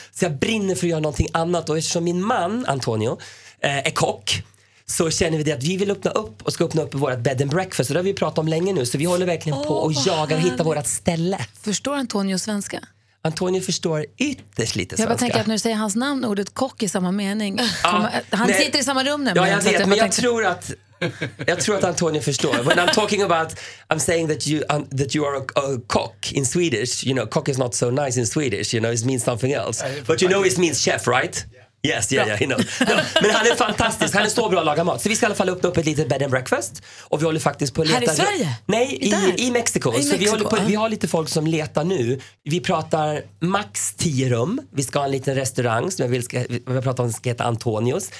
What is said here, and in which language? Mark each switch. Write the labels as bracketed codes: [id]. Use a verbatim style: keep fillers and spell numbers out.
[sv] Så jag brinner för att göra någonting annat. Och eftersom min man, Antonio, eh, är kock, så känner vi det att vi vill öppna upp och ska öppna upp vårt bed and breakfast. Och det har vi pratat om länge nu. Så vi håller verkligen oh, på och jagar och hittar vårt ställe. Förstår Antonio svenska? Antonio förstår ytterst lite svenska. Jag bara tänker att när du säger hans namn och ordet kock i samma mening. Ja, han nej, sitter i samma rum nämligen. Ja, jag vet, jag men jag, tänkte... tror att, jag tror att Antonio förstår. [en] When I'm talking about, I'm saying that you, um, that you are a, a cock in Swedish. You know, cock is not so nice in Swedish. You know, it means something else. But you know it means chef, right? Yes, yeah, yeah, you know. [sv] No, men han är fantastisk, han är så bra att laga mat. Så vi ska i alla fall öppna upp ett litet bed and breakfast. Och vi håller faktiskt på att leta. Här i Sverige? Nej, i, i Mexiko. Så vi, håller på, vi har lite folk som letar nu. Vi pratar max tio rum. Vi ska ha en liten restaurang som jag vill ska, jag pratar om, ska heta Antonios.